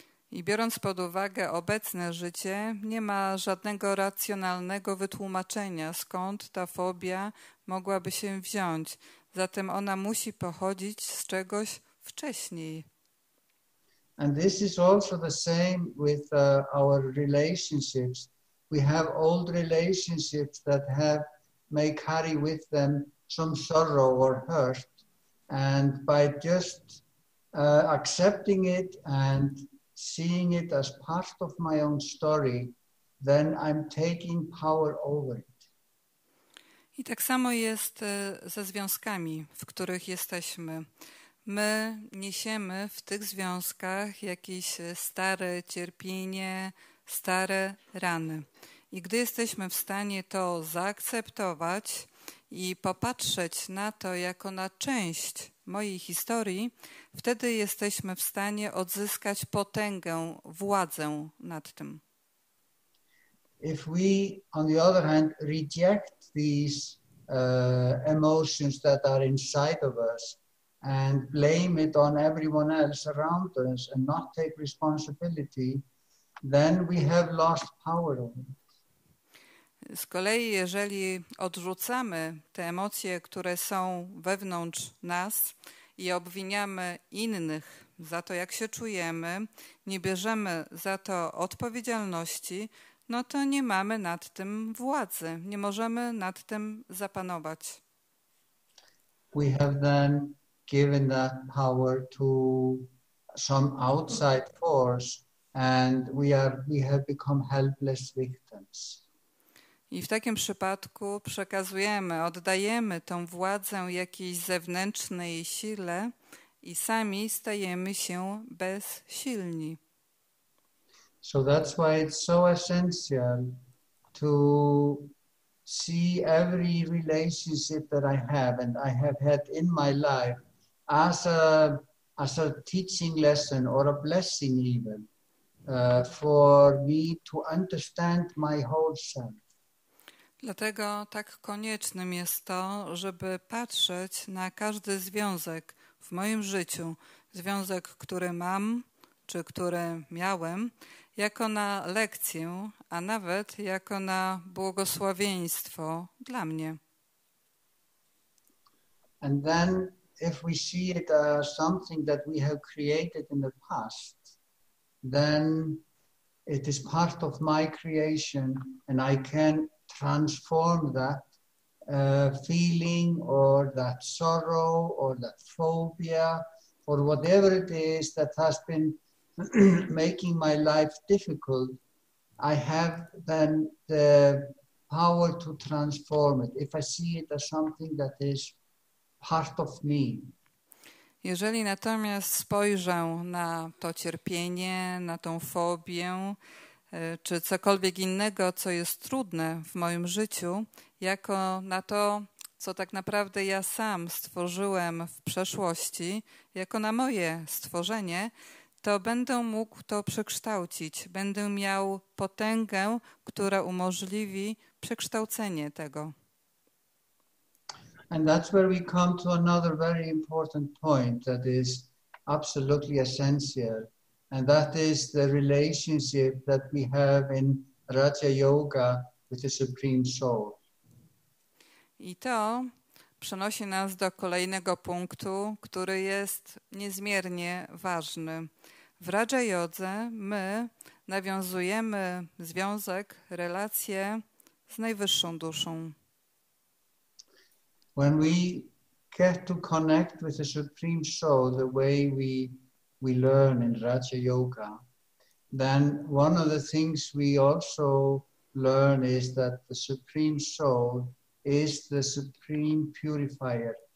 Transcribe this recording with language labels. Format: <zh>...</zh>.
<pl>I biorąc pod uwagę obecne życie, nie ma żadnego racjonalnego wytłumaczenia, skąd ta fobia mogłaby się wziąć. Zatem ona musi pochodzić z czegoś wcześniej.</pl> <en>And this is also the same with our relationships. We have old relationships that may carry with them some sorrow or hurt, and by just accepting it and seeing it as part of my own story, then I'm taking power over it.</en> <pl>I tak samo jest ze związkami, w których jesteśmy. My niesiemy w tych związkach jakieś stare cierpienie, stare rany. I gdy jesteśmy w stanie to zaakceptować i popatrzeć na to jako na część mojej historii, wtedy jesteśmy w stanie odzyskać potęgę, władzę nad tym.</pl> <en>If we, on the other hand, reject these emotions that are inside of us and blame it on everyone else around us and not take responsibility, then we have lost power over it.</en> <pl>Z kolei, jeżeli odrzucamy te emocje, które są wewnątrz nas i obwiniamy innych za to, jak się czujemy, nie bierzemy za to odpowiedzialności, no to nie mamy nad tym władzy, nie możemy nad tym zapanować.</pl> <en>We have then given that power to some outside force And we have become helpless victims.</en> <pl>I w takim przypadku przekazujemy, oddajemy tą władzę jakiejś zewnętrznej sile i sami stajemy się bezsilni.</pl> <en>So that's why it's so essential to see every relationship that I have and I have had in my life as a teaching lesson or a blessing even for me to understand my whole self.</en> <pl>Dlatego tak koniecznym jest to, żeby patrzeć na każdy związek w moim życiu, związek, który mam, czy który miałem, jako na lekcję, a nawet jako na błogosławieństwo dla mnie.</pl> <en>And then if we see it as something that we have created in the past, then it is part of my creation and I can transform that feeling or that sorrow or that phobia or whatever it is that has been making my life difficult, I have then the power to transform it if I see it as something that is part of me.</en> <pl>Jeżeli natomiast spojrzę na to cierpienie, na tą fobię, czy cokolwiek innego, co jest trudne w moim życiu, jako na to, co tak naprawdę ja sam stworzyłem w przeszłości, jako na moje stworzenie, to będę mógł to przekształcić. Będę miał potęgę, która umożliwi przekształcenie tego.</pl> <en>And that's where we come to another very important point that is absolutely essential. And that is the relationship that we have in Raja Yoga with the Supreme Soul.</en> <pl>I to przenosi nas do kolejnego punktu, który jest niezmiernie ważny. W Raja Jodze my nawiązujemy związek, relacje z najwyższą duszą.</pl> <en>When we get to connect with the Supreme Soul the way we learn in Raja Yoga, then one of the things we also learn is that the Supreme Soul is the Supreme Purifier.</en>